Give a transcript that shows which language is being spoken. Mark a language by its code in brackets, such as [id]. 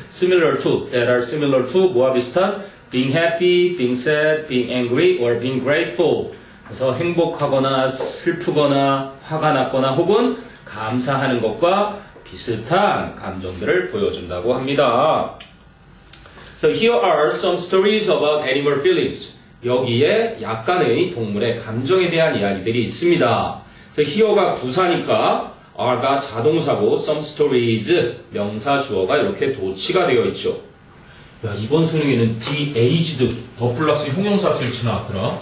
[en] similar to, that are similar to, [ko] 뭐와 비슷한? [en] being happy, being sad, being angry, or being grateful. [ko] 그래서 행복하거나 슬프거나 화가 났거나 혹은 감사하는 것과 비슷한 감정들을 보여준다고 합니다. [en] So here are some stories about animal feelings. [ko] 여기에 약간의 동물의 감정에 대한 이야기들이 있습니다. So here가 부사니까 are가 자동사고 some stories 명사 주어가 이렇게 도치가 되어 있죠. 야, 이번 수능에는 de-aged, 더 플러스 형용사 수치 나왔더라.